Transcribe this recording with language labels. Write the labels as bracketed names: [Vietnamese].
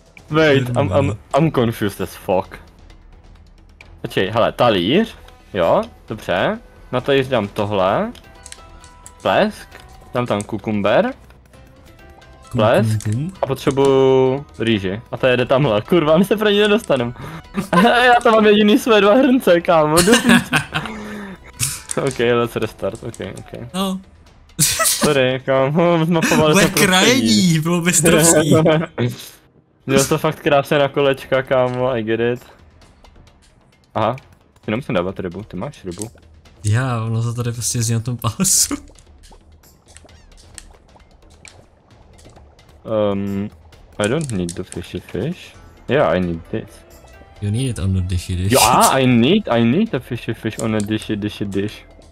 [English] Wait, I'm confused as fuck. [Czech] Počkej, hele, talíř, jo, dobře. Na to jíž dám tohle. Plesk. Dám tam kukumber. Plesk. A potřebuju rýži. A to jede tamhle. Kurva, my se pro ní nedostanem. Já tam mám jediný své dva hrnce, kámo. [English] Ok, let's restart. Ok. [Czech] No. Sorry, kámo. Zmapovali se prostě. Krajení, bylo mistrovský. Měl to fakt krásně na kolečka, kámo. [English] I get it. [Czech] Aha. Ty nemusím dávat rybu, ty máš rybu. Já, ono to tady prostě jezdí na tom pásu. [English] I don't need the fishy fish. Yeah, I need this. You need it on the dishy dish. Yeah, I need the fishy fish on the dishy dish.